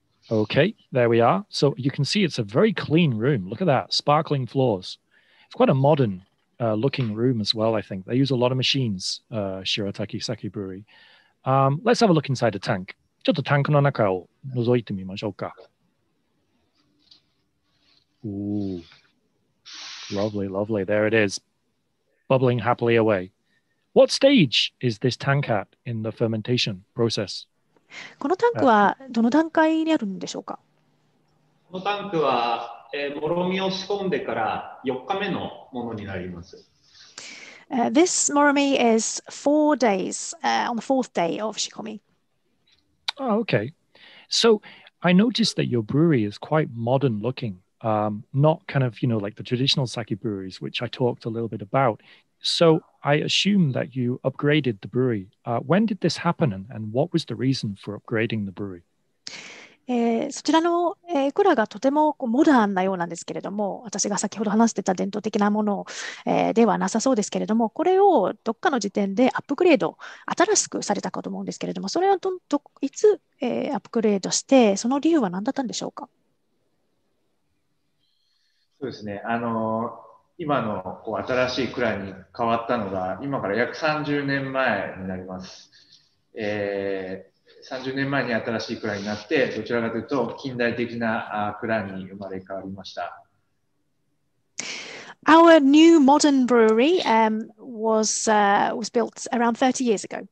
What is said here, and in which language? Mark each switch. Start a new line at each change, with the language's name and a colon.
English: Okay, there we are. So you can see it's a very clean room. Look at that, sparkling floors. It's quite a modern looking room as well, I think. They use a lot of machines, Shirataki Sake Brewery. Let's have a look inside the tank.
Japanese: ちょっとタンクの中を覗いてみましょうか。
English: Ooh, lovely, lovely. There it is, bubbling happily away. What stage is this tank at in the fermentation process?
Japanese: このタンクはどの段階にあるんでしょうか？このタンクは、もろみを仕込んでから4日目のものになります。
English: This morumi is 4 days, on the fourth day of shikomi. Oh, okay. So I noticed that your brewery is quite modern looking, not kind of, you know, like the traditional sake breweries, which I talked a little bit about. So I assume that you upgraded the brewery. When did this happen and what was the reason for upgrading the brewery?
Japanese: そちらの、蔵がとてもモダンなようなんですけれども、私が先ほど話してた伝統的なもの、ではなさそうですけれども、これをどっかの時点でアップグレード、新しくされたかと思うんですけれども、それはいつ、アップグレードして、その理由は何だったんでしょうか？そうですね、今のこう新しい蔵に変わったのが、今から約30年前になります。 30年前に新しい蔵になって、どちらかというと近代的な蔵に生まれ変わりました。
English: Our new modern brewery was built around 30 years ago.